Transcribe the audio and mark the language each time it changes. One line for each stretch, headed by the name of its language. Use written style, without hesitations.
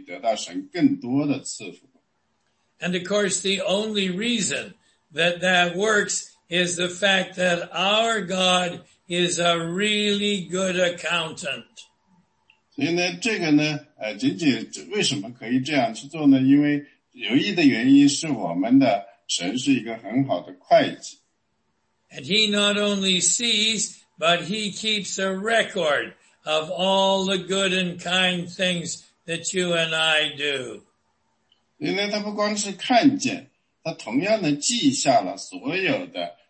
Chinese: 因为通常的呢，就是说你是给人家一个微笑，或者一句鼓励的话，或者一个友好的手，或者是请他们到你家来吃个午餐。这个最重要的是呢，就是神会赐福给那些赠予的人，赠予的人比那些收的人可以得到神更多的赐福。
English: And of course, the only reason that that works is the fact that our God is a really good accountant.
Chinese: 所以呢，这个呢，仅仅为什么可以这样去做呢？因为有益的原因是我们的神是一个很好的会计。
English: And he not only sees, but he keeps a record of all the good and kind things that you and I do.
Chinese: 因为他不光是看见，他同样的记下了所有的。